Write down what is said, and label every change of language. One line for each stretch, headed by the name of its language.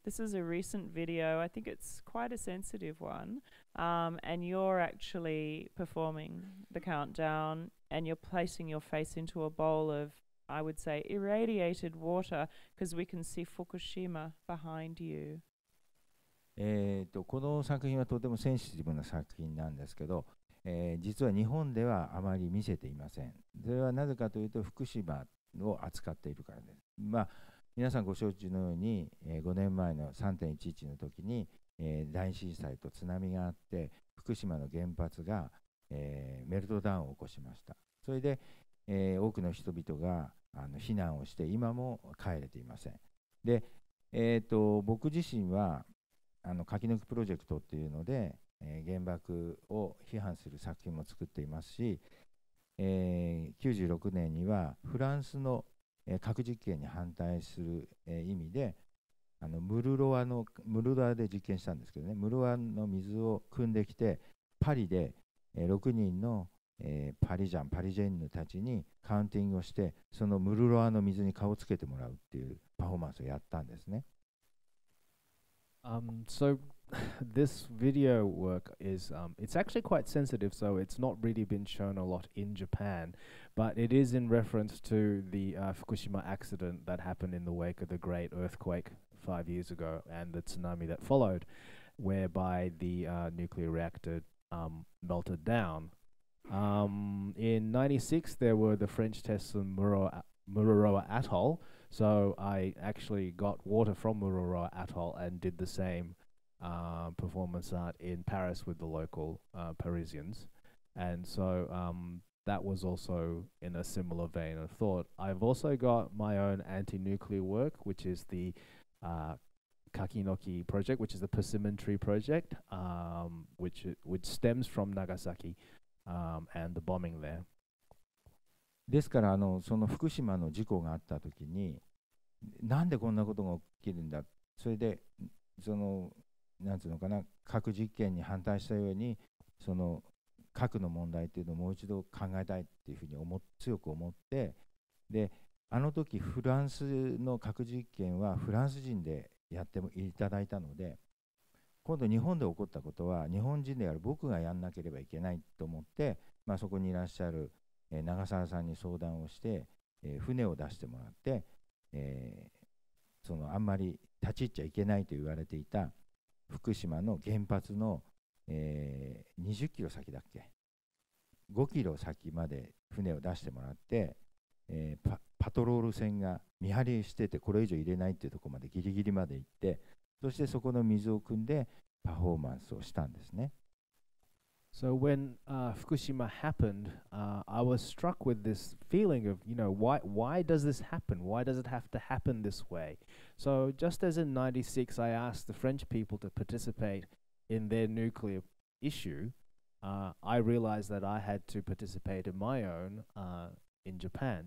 English: This is a recent video. I think it's quite a sensitive one. And you're actually performing the countdown, and you're placing your face into a bowl of, I would say, irradiated water, because we can see Fukushima behind you.
Japanese: この作品はとてもセンシティブな作品なんですけど、実は日本ではあまり見せていません。それはなぜかというと、福島を扱っているからです。まあ、皆さんご承知のように、5年前の 3.11 の時に、大震災と津波があって、福島の原発が、メルトダウンを起こしました。それで、多くの人々が避難をして、今も帰れていません。で、僕自身は柿の木プロジェクトっていうので、原爆を批判する作品も作っていますし、96年にはフランスの、核実験に反対する、意味で、ムルロアで実験したんですけどね、ムルロアの水を汲んできて、パリで、6人の、パリジェンヌたちにカウンティングをして、そのムルロアの水に顔をつけてもらうっていうパフォーマンスをやったんですね。
English: So this video work is, it's actually quite sensitive, so it's not really been shown a lot in Japan, but it is in reference to the Fukushima accident that happened in the wake of the great earthquake 5 years ago and the tsunami that followed, whereby the nuclear reactor melted down. In 96, there were the French tests on Mururoa Atoll, so I actually got water from Mururoa Atoll and did the same performance art in Paris with the local Parisians. And so that was also in a similar vein of thought. I've also got my own anti-nuclear work, which is the Kakinoki project, which is the persimmon tree project, which stems from Nagasaki and the bombing there.
Japanese: ですから、その福島の事故があったときに、なんでこんなことが起きるんだ、それで、その、なんていうのかな、核実験に反対したように、その核の問題っていうのをもう一度考えたいっていうふうに強く思って、で、あの時フランスの核実験はフランス人でやってもいただいたので、今度日本で起こったことは日本人である僕がやんなければいけないと思って、まあ、そこにいらっしゃる長澤さんに相談をして、船を出してもらって、そのあんまり立ち入っちゃいけないと言われていた福島の原発の、20キロ先だっけ、5キロ先まで船を出してもらって、パトロール船が見張りしててこれ以上入れないっていうところまでギリギリまで行って、そしてそこの水を汲んでパフォーマンスをしたんですね。
English: So when Fukushima happened, I was struck with this feeling of, you know, why does this happen? Why does it have to happen this way? So just as in 96, I asked the French people to participate in their nuclear issue, I realized that I had to participate in my own in Japan.